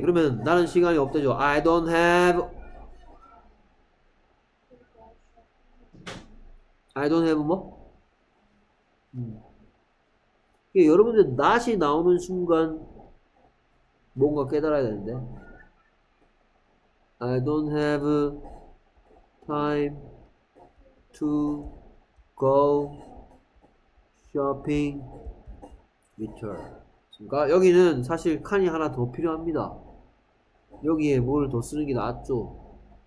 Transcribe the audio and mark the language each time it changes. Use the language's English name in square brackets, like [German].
[Korean] 그러면 나는 시간이 없대죠. [English] I don't have. I don't have 뭐? [Korean] 이게 여러분들 not이 나오는 순간 뭔가 깨달아야 되는데. [English] I don't have time to go shopping with her. [Korean] 그러니까 여기는 사실 칸이 하나 더 필요합니다. 여기에 뭘더 쓰는 게 낫죠?